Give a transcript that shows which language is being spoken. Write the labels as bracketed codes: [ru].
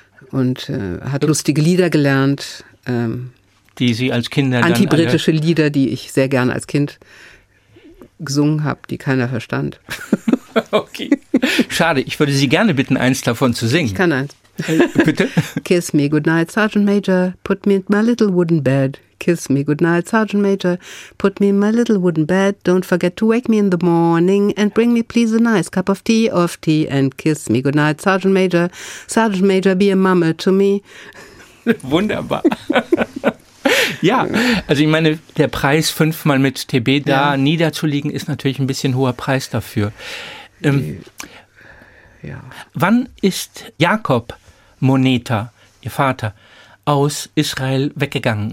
[de] Und hat lustige Lieder gelernt. Die Sie als Kinder dann... Antibritische Lieder, die ich sehr gerne als Kind gesungen habe, die keiner verstand. Okay. Schade, ich würde Sie gerne bitten, eins davon zu singen. Ich kann eins. Bitte? [en] Kiss me goodnight, Sergeant Major, put me in my little wooden bed. Kiss me goodnight, Sergeant Major. Put me in my little wooden bed. Don't forget to wake me in the morning and bring me please a nice cup of tea off tea. And kiss me goodnight, Sergeant Major. Sergeant Major, be a mama to me. [de] Wunderbar. Ja, also ich meine, der Preis, fünfmal mit TB da niederzuliegen, ist natürlich ein bisschen hoher Preis dafür. Ja. Wann ist Jakob Moneta, Ihr Vater, aus Israel weggegangen?